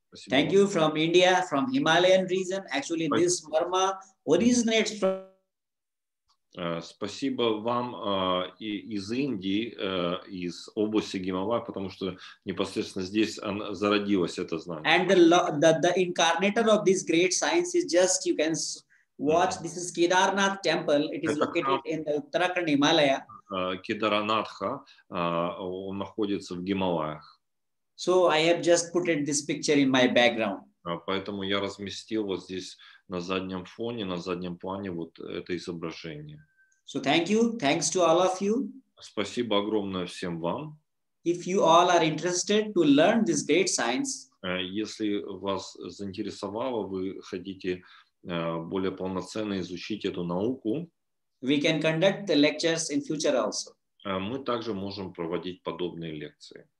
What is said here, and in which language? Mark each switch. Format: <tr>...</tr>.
<en>Thank you from India, from Himalayan region. Actually, this marma originates from...</en> <ru>Спасибо вам из Индии, из области Гималай, потому что непосредственно здесь зародилось это знание.</ru> <en>And the incarnator of this great science is just, you can watch, this is Kedarnath temple. It is located in the Uttarakhand Himalaya.</en> <ru>Кедарнатха, он находится в Гималаях.</ru> <en>So I have just put this picture in my background.</en> <ru>Поэтому я разместил вот здесь на заднем фоне, на заднем плане вот это изображение.</ru> <en>So thank you. Thanks to all of you.</en> <ru>Спасибо огромное всем вам.</ru> <en>If you all are interested to learn this great science.</en> <ru>Если вас заинтересовало, вы хотите более полноценно изучить эту науку.</ru> <en>We can conduct the lectures in future also.</en> <ru>Мы также можем проводить подобные лекции.</ru>